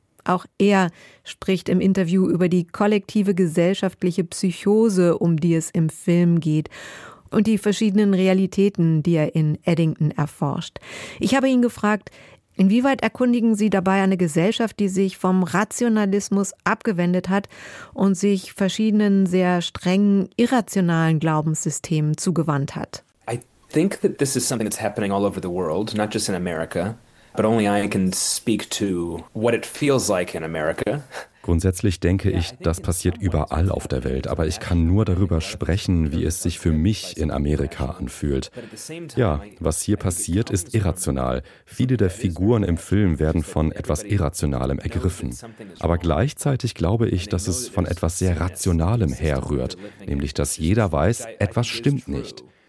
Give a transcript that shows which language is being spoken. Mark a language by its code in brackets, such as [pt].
[de] Auch er spricht im Interview über die kollektive gesellschaftliche Psychose, um die es im Film geht, und die verschiedenen Realitäten, die er in Eddington erforscht. Ich habe ihn gefragt, inwieweit erkundigen Sie dabei eine Gesellschaft, die sich vom Rationalismus abgewendet hat und sich verschiedenen sehr strengen, irrationalen Glaubenssystemen zugewandt hat? [en] I think that this is something that's happening all over the world, not just in America, but only I can speak to what it feels like in America. [de] Grundsätzlich denke ich, das passiert überall auf der Welt, aber ich kann nur darüber sprechen, wie es sich für mich in Amerika anfühlt. Ja, was hier passiert, ist irrational. Viele der Figuren im Film werden von etwas Irrationalem ergriffen. Aber gleichzeitig glaube ich, dass es von etwas sehr Rationalem herrührt, nämlich dass jeder weiß, etwas stimmt nicht.